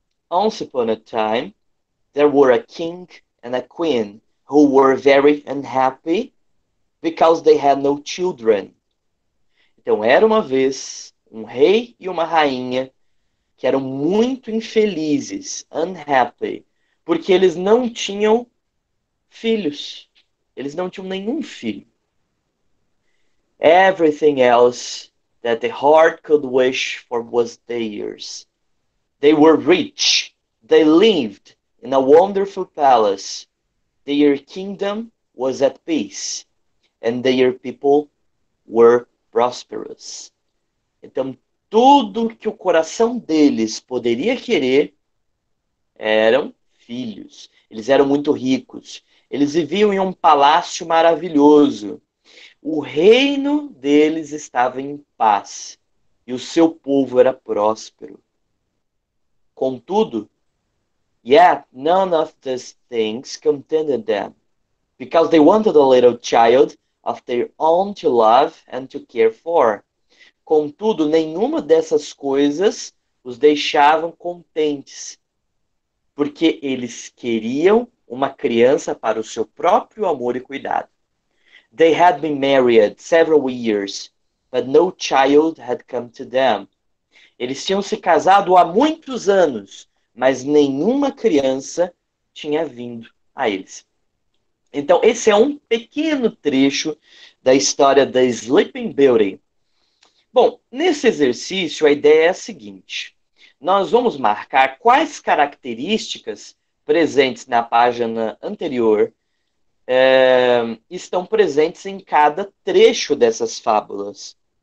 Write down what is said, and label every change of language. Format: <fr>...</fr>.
<en>Once upon a time, there were a king and a queen who were very unhappy because they had no children.</en> <pt>Então, era uma vez um rei e uma rainha que eram muito infelizes, unhappy, porque eles não tinham filhos. Eles não tinham nenhum filho.</pt> <en>Everything else that the heart could wish for was theirs. They were rich. They lived in a wonderful palace. Their kingdom was at peace, and their people were prosperous.</en> <pt>Então, tudo que o coração deles poderia querer eram filhos. Eles eram muito ricos. Eles viviam em um palácio maravilhoso. O reino deles estava em paz e o seu povo era próspero. Contudo,</pt> <en>yet none of these things contented them, because they wanted a little child of their own to love and to care for.</en> <pt>Contudo, nenhuma dessas coisas os deixavam contentes, porque eles queriam uma criança para o seu próprio amor e cuidado.</pt> <en>They had been married several years, but no child had come to them.</en> <pt>Eles tinham se casado há muitos anos, mas nenhuma criança tinha vindo a eles. Então, esse é um pequeno trecho da história da Sleeping Beauty. Bom, nesse exercício, a ideia é a seguinte: nós vamos marcar quais características presentes na página anterior estão presentes em cada trecho dessas fábulas.</pt>